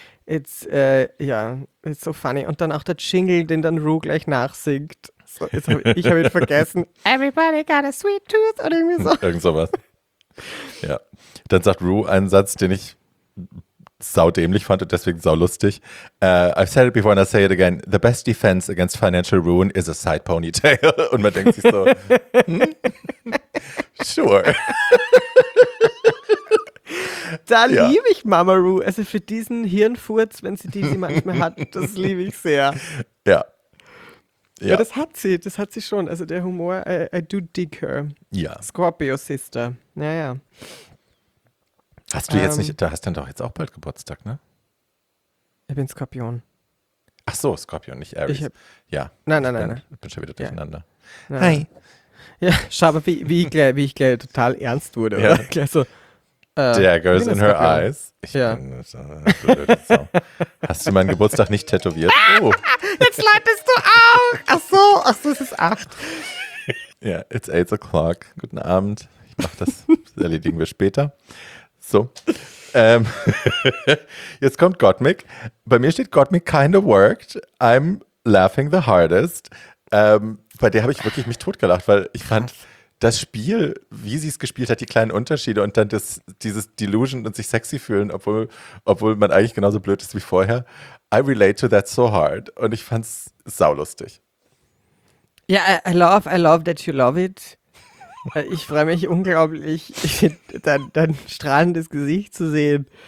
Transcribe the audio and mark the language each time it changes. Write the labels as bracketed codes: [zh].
[de] It's, ja, [en] it's so funny. [de] Und dann auch der Jingle, den dann Rue gleich nachsingt. So, ich hab ihn vergessen. [en] Everybody got a sweet tooth [de] oder irgendwie so. Irgend sowas. Ja. Dann sagt Rue einen Satz, den ich saudämlich fand und deswegen saulustig. [en] I've said it before and I'll say it again. The best defense against financial ruin is a side ponytail. [de] Und man denkt sich so, sure. Da ja. Liebe ich Mama Rue. Also für diesen Hirnfurz, wenn sie die manchmal hat, das liebe ich sehr. Ja. Ja. Ja, das hat sie schon. Also der Humor, [en] I do dig her. [de] Ja. [en] Scorpio Sister. Naja. [de] Hast du jetzt nicht, da hast du dann doch jetzt auch bald Geburtstag, ne? Ich bin Skorpion. Ach so, Skorpion, nicht Aries. Ja. Nein. Ich bin schon wieder durcheinander. Ja. Hi. Ja, schau mal, wie ich gleich total ernst wurde. Ja. Oder? So, [en] Daggers in her eyes. [de] Ich ja. bin so blöd. So. Hast du meinen Geburtstag nicht tätowiert? Oh. Jetzt leitest du auch. Ach so, es ist 8. [en] Ja, yeah, it's 8 o'clock. [de] Guten Abend. Ich mach das, das erledigen wir später. So, jetzt kommt Gottmik. Bei mir steht Gottmik [en] kinda worked. I'm laughing the hardest. [de] Bei der habe ich wirklich mich totgelacht, weil ich fand das Spiel, wie sie es gespielt hat, die kleinen Unterschiede und dann dieses Delusion und sich sexy fühlen, obwohl man eigentlich genauso blöd ist wie vorher. [en] I relate to that so hard. [de] Und ich fand es saulustig. [en] Ja, yeah, I love that you love it. [de] Ich freue mich unglaublich, dein strahlendes Gesicht zu sehen.